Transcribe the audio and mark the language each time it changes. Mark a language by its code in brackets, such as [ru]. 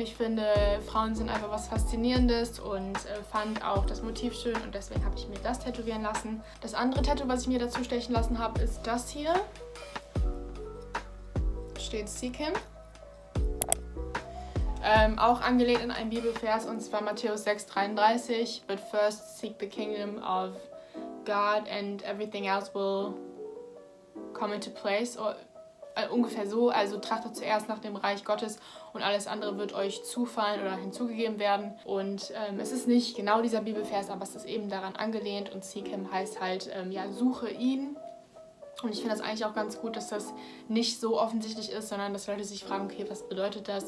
[de] Ich finde, Frauen sind einfach was Faszinierendes und fand auch das Motiv schön und deswegen habe ich mir das tätowieren lassen. Das andere Tattoo, was ich mir dazu stechen lassen habe, ist das hier. Steht Sea Kim. Auch angelehnt in einen Bibelvers und zwar Matthäus 6,33. [en] But first seek the kingdom of God and everything else will come into place. [de] Ungefähr so, also trachtet zuerst nach dem Reich Gottes und alles andere wird euch zufallen oder hinzugegeben werden. Und es ist nicht genau dieser Bibelvers, aber es ist eben daran angelehnt und Seek Him heißt halt, suche ihn. Und ich finde das eigentlich auch ganz gut, dass das nicht so offensichtlich ist, sondern dass Leute sich fragen, okay, was bedeutet das?